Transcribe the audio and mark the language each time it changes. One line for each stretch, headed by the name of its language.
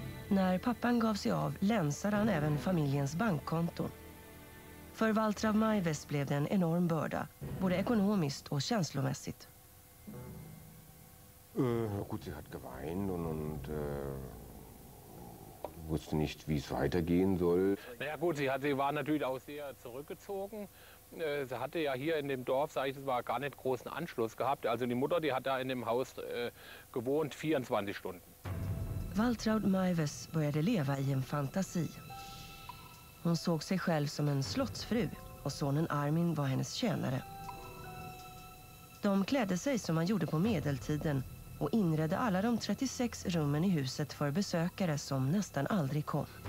Swedish: När pappan gav sig av länsade han även familjens bankkonto. För Valtrav Maives blev det en enorm börda, både ekonomiskt och känslomässigt.
German: Gut, sie hat geweint und wusste nicht, wie es weitergehen soll. Na ja, gut, sie war natürlich auch sehr zurückgezogen. Sie hatte ja hier in dem Dorf, sage ich, es war gar nicht großen Anschluss gehabt. Also die Mutter, die hat da in dem Haus gewohnt, 24 Stunden.
Swedish: Valtraud Maives började leva i en fantasi. Hon såg sig själv som en slottsfru och sonen Armin var hennes tjänare. De klädde sig som man gjorde på medeltiden och inredde alla de 36 rummen i huset för besökare som nästan aldrig kom.